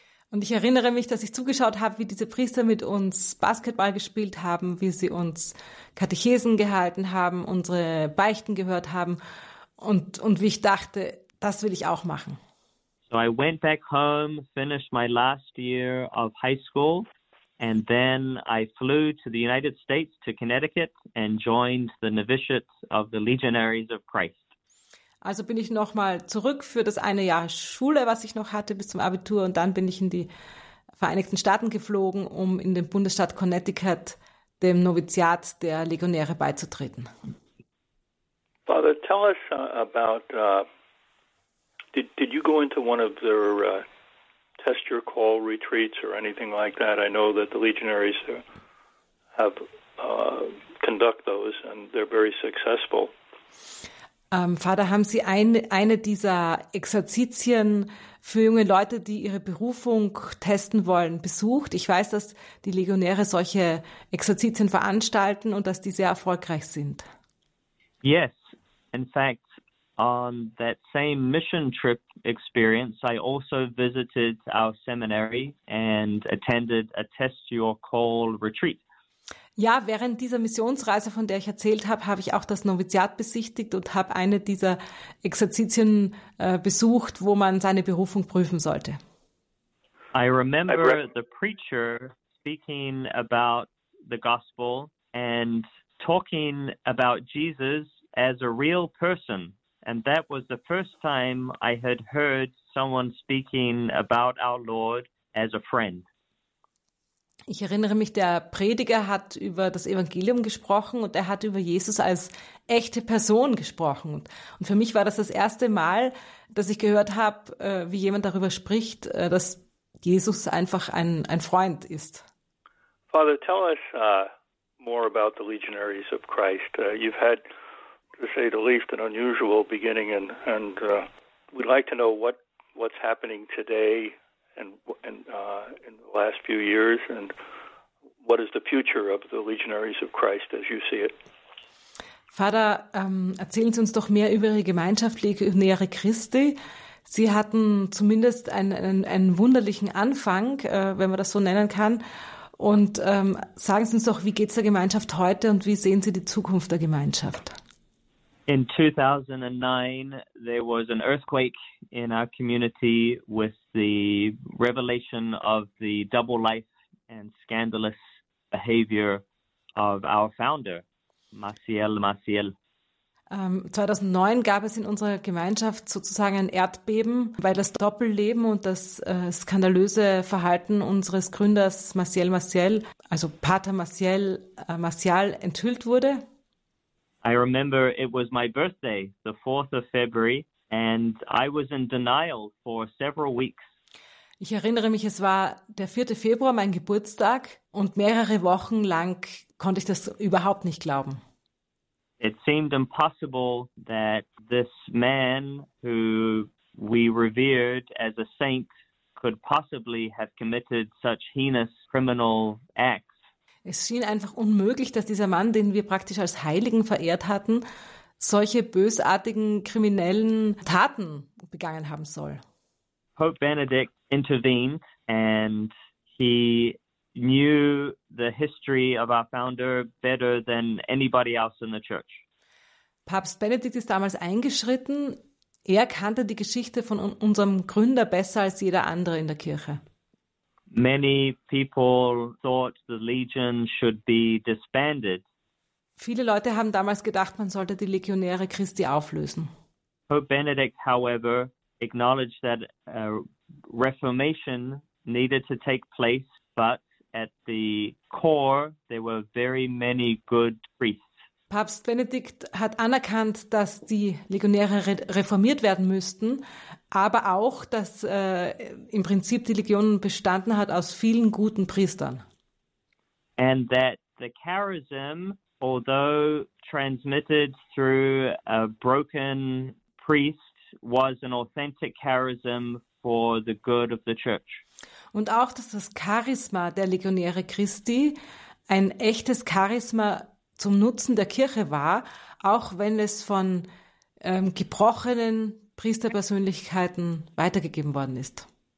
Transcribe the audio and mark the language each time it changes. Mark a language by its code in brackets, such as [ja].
[de] Und ich erinnere mich, dass ich zugeschaut habe, wie diese Priester mit uns Basketball gespielt haben, wie sie uns Katechesen gehalten haben, unsere Beichten gehört haben und wie ich dachte, das will ich auch machen. [en] So I went back home, finished my last year of high school, and then I flew to the United States, to Connecticut, and joined the novitiate of the Legionaries of Christ. [de] Also bin ich nochmal zurück für das eine Jahr Schule, was ich noch hatte bis zum Abitur, und dann bin ich in die Vereinigten Staaten geflogen, um in den Bundesstaat Connecticut dem Noviziat der Legionäre beizutreten. [en] Father, tell us about did you go into one of their test your call retreats or anything like that? I know that the Legionaries have conduct those and they're very successful. [de] Vater, haben Sie eine dieser Exerzitien für junge Leute, die ihre Berufung testen wollen, besucht? Ich weiß, dass die Legionäre solche Exerzitien veranstalten und dass die sehr erfolgreich sind. [en] Yes, in fact, on that same mission trip experience, I also visited our seminary and attended a Test Your Call retreat. [de] Ja, während dieser Missionsreise, von der ich erzählt habe, habe ich auch das Noviziat besichtigt und habe eine dieser Exerzitien besucht, wo man seine Berufung prüfen sollte. [en] I remember the preacher speaking about the gospel and talking about Jesus as a real person. And that was the first time I had heard someone speaking about our Lord as a friend. [de] Ich erinnere mich, der Prediger hat über das Evangelium gesprochen und er hat über Jesus als echte Person gesprochen. Und für mich war das das erste Mal, dass ich gehört habe, wie jemand darüber spricht, dass Jesus einfach ein Freund ist. [en] Father, tell us more about the Legionaries of Christ. You've had, to say the least, an unusual beginning, and we'd like to know what's happening today. In the last few years, and what is the future of the Legionaries of Christ as you see it? [de] Vater, erzählen Sie uns doch mehr über Ihre Gemeinschaft Legionäre Christi. Sie hatten zumindest einen wunderlichen Anfang, wenn man das so nennen kann. Und sagen Sie uns doch, wie geht's der Gemeinschaft heute und wie sehen Sie die Zukunft der Gemeinschaft? [en] In 2009, there was an earthquake in our community with the revelation of the double life and scandalous behavior of our founder, Maciel Maciel. [de] 2009 gab es in unserer Gemeinschaft sozusagen ein Erdbeben, weil das Doppelleben und das skandalöse Verhalten unseres Gründers Maciel Maciel, also Pater Maciel Maciel, enthüllt wurde. [en] I remember it was my birthday, the 4th of February, and I was in denial for several weeks. [de] Ich erinnere mich, es war der 4. Februar, mein Geburtstag, und mehrere Wochen lang konnte ich das überhaupt nicht glauben. [en] It seemed impossible that this man who we revered as a saint could possibly have committed such heinous criminal acts. [de] Es schien einfach unmöglich, dass dieser Mann, den wir praktisch als Heiligen verehrt hatten, solche bösartigen kriminellen Taten begangen haben soll. [en] Pope Benedict intervened and he knew the history of our founder better than anybody else in the church. [de] Papst Benedikt ist damals eingeschritten. Er kannte die Geschichte von unserem Gründer besser als jeder andere in der Kirche. [en] Many people thought the Legion should be disbanded. [de] Viele Leute haben damals gedacht, man sollte die Legionäre Christi auflösen. [en] Pope Benedict, however, acknowledged that a reformation needed to take place, but at the core there were very many good priests. [de] Papst Benedikt hat anerkannt, dass die Legionäre reformiert werden müssten, aber auch, dass im Prinzip die Legion bestanden hat aus vielen guten Priestern. [en] And that the charism, although transmitted through a broken priest, was an authentic charism for the good of the church. [de] Und auch, dass das Charisma der Legionäre Christi ein echtes Charisma zum Nutzen der Kirche war, auch wenn es von gebrochenen Priesterpersönlichkeiten weitergegeben worden ist.